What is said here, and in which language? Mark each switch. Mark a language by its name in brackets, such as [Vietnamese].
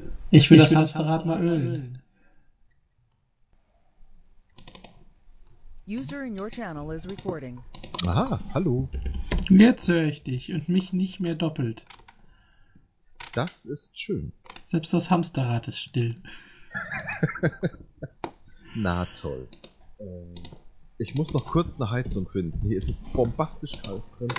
[German] Ich will das Hamsterrad mal ölen. [English] User in your channel is recording. [German] Aha, hallo. Jetzt höre ich dich und mich nicht mehr doppelt. Das ist schön. Selbst das Hamsterrad ist still. Na toll. Ich muss noch kurz eine Heizung finden. Hier ist es bombastisch kalt drin.